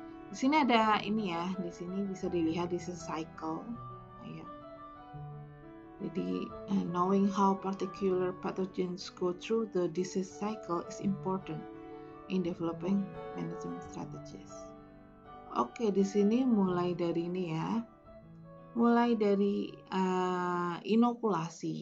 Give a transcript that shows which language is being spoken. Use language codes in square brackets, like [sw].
[id] Di sini ada ini ya, di sini bisa dilihat di cycle. Ya. [en] Jadi knowing how particular pathogens go through the disease cycle is important in developing management strategies. [id] Oke, di sini mulai dari ini ya. Mulai dari inokulasi.